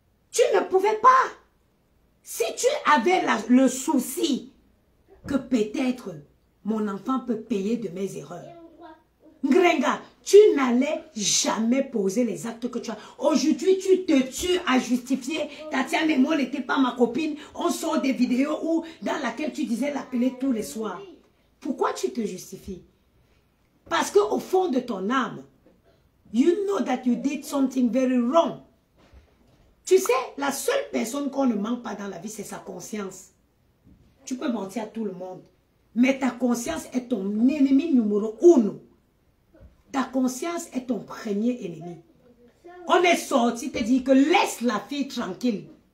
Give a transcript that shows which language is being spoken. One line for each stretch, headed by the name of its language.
French: Tu ne pouvais pas. Si tu avais le souci que peut-être mon enfant peut payer de mes erreurs. Ngrenga, tu n'allais jamais poser les actes que tu as. Aujourd'hui, tu te tues à justifier. Tatiana et moi n'étais pas ma copine. On sort des vidéos où, dans laquelle tu disais l'appeler tous les soirs. Pourquoi tu te justifies? Parce qu'au fond de ton âme,
English: you know that you did something very wrong.
French: Tu sais, la seule personne qu'on ne ment pas dans la vie, c'est sa conscience. Tu peux mentir à tout le monde. Mais ta conscience est ton ennemi numéro uno. Ta conscience est ton premier ennemi. On est sorti, te dit que laisse la fille tranquille.